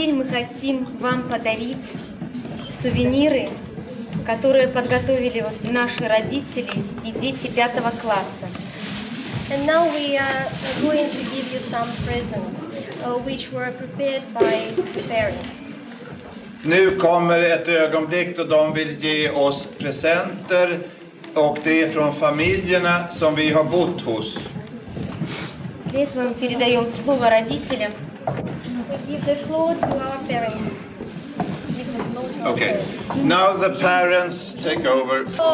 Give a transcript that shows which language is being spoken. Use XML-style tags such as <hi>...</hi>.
<ru>хотим вам подарить сувениры, которые подготовили вот наши родители и дети 5 класса.</ru> <en>And now we are going to give you some presents, which were prepared by the parents.</en> <sv>Nu kommer ett ögonblick då de vill ge oss presenter, och det är från familjerna som vi har bott hos. Det vi</sv> <ru>передаём слово родителям.</ru> <en>We give the floor to our parents. Okay. Now the parents take over.</en>